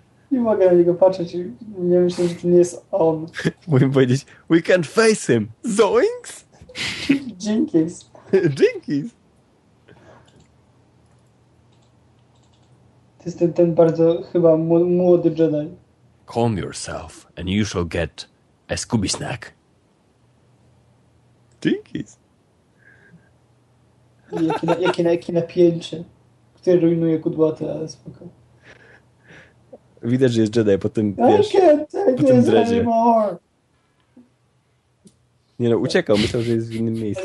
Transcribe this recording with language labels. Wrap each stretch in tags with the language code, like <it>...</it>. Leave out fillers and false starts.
<pl>Nie mogę na niego patrzeć i nie myślę, że to nie jest on. Mógłbym powiedzieć,</pl> <en>we can't face him. Zoinks? Jinkies. Jinkies.</en> <pl>To jest ten bardzo chyba młody Jedi.</pl> <en>Calm yourself and you shall get a Scooby snack. Jinkies.</en> <pl>Jakie napięcie, które rujnuje kudłaty, ale spoko. Widać, że jest Jedi po tym, wiesz, po tym dredzie. Nie no, uciekał. Myślał, że jest w innym miejscu.</pl>